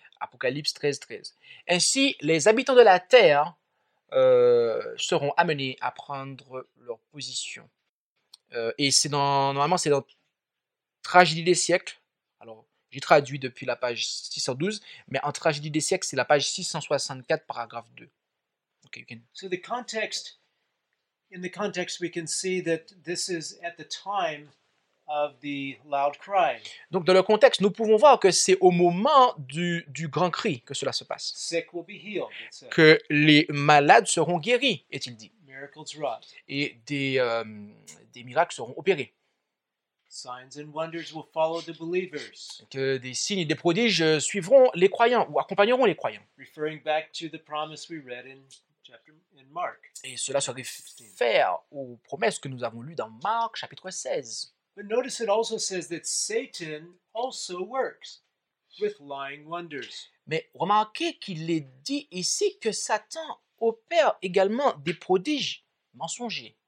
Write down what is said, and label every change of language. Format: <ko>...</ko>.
<fr>Apocalypse 13:13. Ainsi, les habitants de la terre seront amenés à prendre leur position. Et c'est dans Tragédie des siècles. Alors, j'ai traduit depuis la page 612, mais en Tragédie des siècles, c'est la page 664, paragraphe 2.</fr> <en>Okay, you can. So the context, in the context, we can see that this is at the time of the loud cry.</en> <fr>Donc, dans le contexte, nous pouvons voir que c'est au moment du grand cri que cela se passe.</fr> <en>Sick will be healed, it's a...</en> <fr>Que les malades seront guéris, est-il dit.</fr> <en>Miracles wrought.</en> <fr>Et des miracles seront opérés.</fr> <en>Signs and wonders will follow the believers.</en> <fr>Que des signes et des prodiges suivront les croyants ou accompagneront les croyants.</fr> <en>Referring back to the promise we read in Mark.</en> <fr>Et cela se réfère aux promesses que nous avons lues dans Marc chapitre 16.</fr> <en>But notice it also says that Satan also works with lying wonders.</en> <fr>Mais remarquez qu'il est dit ici que Satan opère également des prodiges mensongers.</fr>